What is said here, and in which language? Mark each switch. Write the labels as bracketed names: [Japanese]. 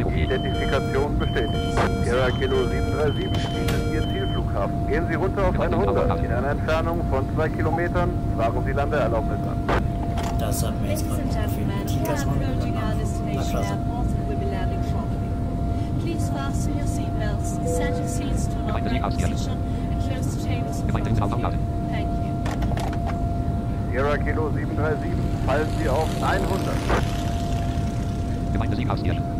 [German] Identifikation bestätigt. Sierra Kilo 737 ist Ihr Zielflughafen. Gehen Sie runter auf 100. In einer Entfernung von 2 Kilometern fragen Sie Landeerlaubnis an. Das hat mir jetzt gerade gefühlt. [English] Ladies and gentlemen, we are approaching our destination airport and will be landing shortly. Please fasten your seatbelts, set your seats to the right position and close the tables in front of you. Thank you. [German] Sierra Kilo 737, fallen Sie auf 100. Gemeinde Sieghaus hier.